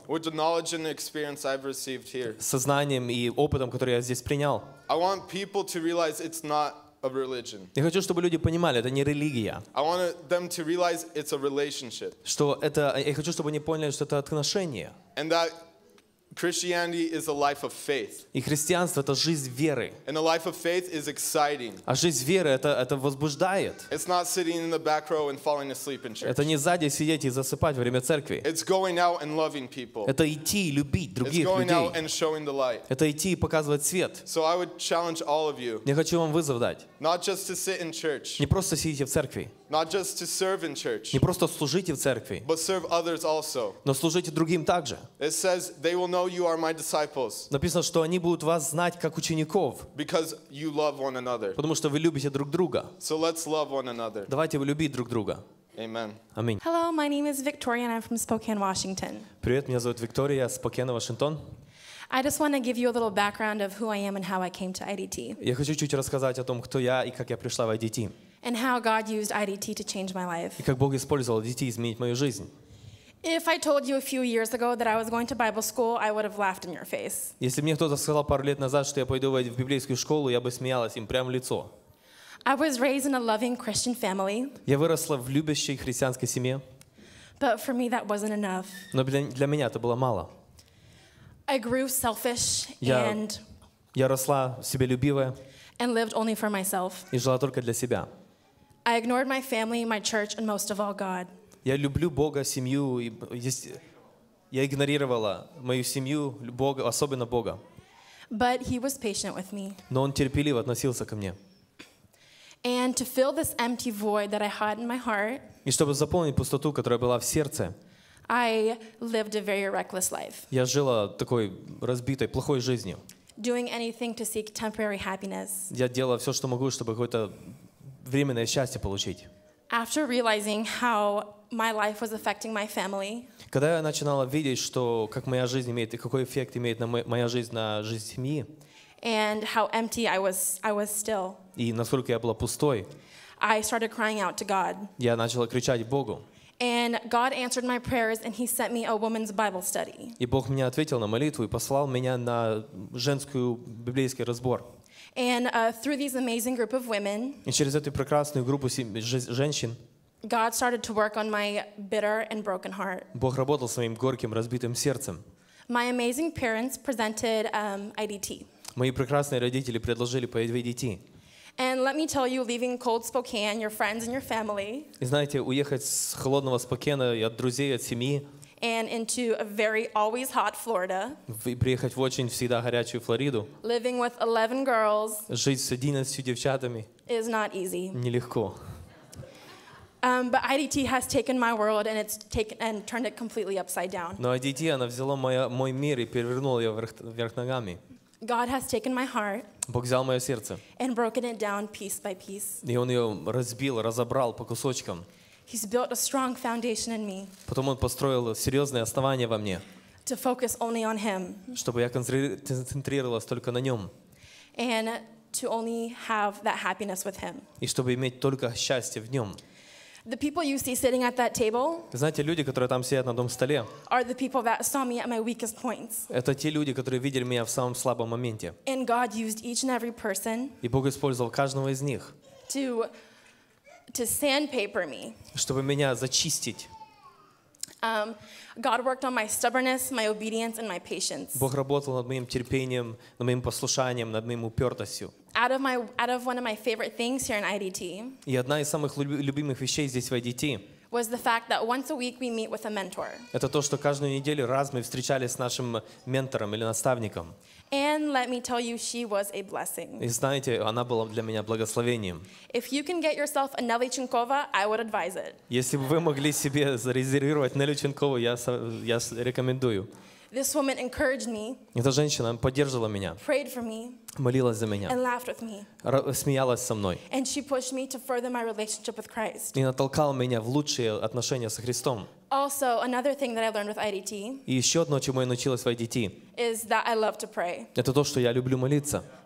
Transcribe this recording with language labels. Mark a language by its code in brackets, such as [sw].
[en] With the knowledge and experience I've received here. [ru] Со знанием и опытом, который я здесь принял. [en] I want people to realize it's not of religion. [ru] Я хочу, чтобы люди понимали, это не религия. [en] I want them to realize it's a relationship. [ru] Что это, я хочу, чтобы они поняли, что это отношения. [en] And that Christianity is a life of faith. [ru] И христианство это жизнь веры. [en] And a life of faith is exciting. [ru] А жизнь веры это возбуждает. [en] It's not sitting in the back row and falling asleep in church. [ru] Это не сзади сидеть и засыпать во время церкви. [en] It's going out and loving people. [ru] Это идти и любить других людей. [en] It's going out and showing the light. [ru] Это идти и показывать свет. [en] So I would challenge all of you. [ru] Я хочу вам вызов дать. [en] Not just to sit in church. [ru] Не просто сидите в церкви. [en] Not just to serve in church. [ru] Не просто служите в церкви. [en] But serve others also. [ru] Но служите другим также. [en] It says they will know you are my disciples. [ru] Написано, что они будут вас знать как учеников. [en] Because you love one another. [ru] Потому что вы любите друг друга. [en] So let's love one another. [ru] Давайте любить друг друга. [en] Amen. [ru] Аминь. [en] Hello, my name is Victoria and I'm from Spokane, Washington. [ru] Привет, меня зовут Виктория, я из Спокана, Вашингтон. [en] I just want to give you a little background of who I am and how I came to IDT. [ru] Я хочу чуть-чуть рассказать о том, кто я и как я пришла в IDT. [en] And how God used IDT to change my life. [ru] И как Бог использовал IDT изменить мою жизнь. [en] If I told you a few years ago that I was going to Bible school, I would have laughed in your face. [ru] Если мне кто-то сказал пару лет назад, что я пойду в библейскую школу, я бы смеялась им прямо в лицо. [en] I was raised in a loving Christian family. [ru] Я выросла в любящей христианской семье. [en] But for me that wasn't enough. [ru] Но для меня это было мало. [en] I grew selfish and [ru] я росла себелюбивая. [en] And lived only for myself. [uk] І жила тільки для себе. [en] I ignored my family, my church, and most of all God. [uk] Я люблю Бога, сім'ю і я ігнорувала мою сім'ю, Бога, особливо Бога. [en] But he was patient with me. [ru] Но он терпеливо относился ко мне. [en] And to fill this empty void that I had in my heart. [ru] І чтобы заполнить пустоту, которая была в сердце. [en] I lived a very reckless life. [ru] Я жила такой разбитой, плохой жизнью. [en] Doing anything to seek temporary happiness. [ru] Я делала всё, что могу, чтобы какое-то временное счастье получить. [en] After realizing how my life was affecting my family. [ru] Когда я начинала видеть, что как моя жизнь имеет и какой эффект имеет на моя жизнь на жизнь семьи. [en] And how empty I was still. [ru] И насколько я была пустой. [en] I started crying out to God. [ru] Я начала кричать Богу. [en] And God answered my prayers and he sent me a women's Bible study. [ru] И Бог мне ответил на молитву и послал меня на женскую библейский разбор. [en] And through these amazing group of women. [ru] И через эту прекрасную группу женщин. [en] God started to work on my bitter and broken heart. [ru] Бог работал с моим горьким разбитым сердцем. [en] My amazing parents presented IDT. [ru] Мои прекрасные родители предложили по IDT. [en] And let me tell you, leaving cold Spokane, your friends and your family. [ru] И знаете, уехать с холодного Спокана и от друзей, от семьи. [en] And into a very always hot Florida. [ru] И приехать в очень всегда горячую Флориду. [en] Living with 11 girls. [ru] Жить с 11 девчатами. [en] Is not easy. [ru] Нелегко. [en] But IDT has taken my world and it's taken and turned it completely upside down. [ru] Но IDT она взяла мой мир и перевернула его вверх ногами. [en] God has taken my heart. [ru] Бог взял моё сердце. [en] And broken it down piece by piece. [ru] И он её разбил, разобрал по кусочкам. [en] He's built a strong foundation in me. [ru] Потом он построил серьёзное основание во мне. [en] To focus only on him. [ru] Чтобы я концентрировалась только на нём. [en] And to only have that happiness with him. [ru] И чтобы иметь только счастье в нём. [en] The people you see sitting at that table. [ru] Знаете, люди, которые там сидят на том столе. [en] Are the people that saw me at my weakest points. [ru] Это те люди, которые видели меня в самом слабом моменте. [en] And God used each and every person. [ru] И Бог использовал каждого из них. [en] To sandpaper me. [ru] Чтобы меня зачистить. [en] God worked on my stubbornness, my obedience and my patience. [ru] Бог работал над моим терпением, над моим послушанием, над моим упёртостью. [en] Out of one of my favorite things here in IDT. [ru] И одна из самых любимых вещей здесь в IDT. [en] Was the fact that once a week we meet with a mentor. [ru] Это то, что каждую неделю раз мы встречались с нашим ментором или наставником. [en] And let me tell you, she was a blessing. [ru] И знаете, она была для меня благословением. [en] If you can get yourself a Nelly Chinkova, I would advise it. [ru] Если бы вы могли себе зарезервировать Nelly Chinkova, я рекомендую. [en] This woman encouraged me. [ru] Эта женщина поддерживала меня. [en] Prayed for me. [ru] Молилась за меня. [en] And laughed with me. [ru] Смеялась со мной. [en] And she pushed me to further my relationship with Christ. [ru] И натолкала меня в лучшие отношения со Христом. [en] Also, another thing that I learned with IDT. [ru] И ещё одно, чему я научилась в IDT. [en] Is that I love to pray. [ru] Это то, что я люблю молиться.